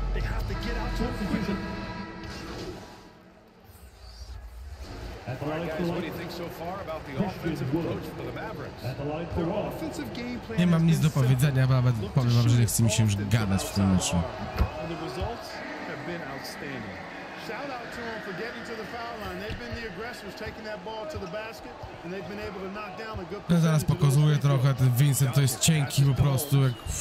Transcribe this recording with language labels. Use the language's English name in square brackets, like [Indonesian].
[English] They have to get out to a position. All right, guys, what do you think so far about the offensive approach for the Mavericks? Their offensive game plan. [Polish] Nie mam nic do powiedzenia, nawet powiem wam, że nie chce mi się już gadać w tym meczu. [English] The results have been outstanding. Shout out to them for getting to the foul line. They've been the aggressors taking that ball to the basket. [Polish] Ja zaraz pokazuję trochę, ten Vincent to jest cienki po prostu, jak...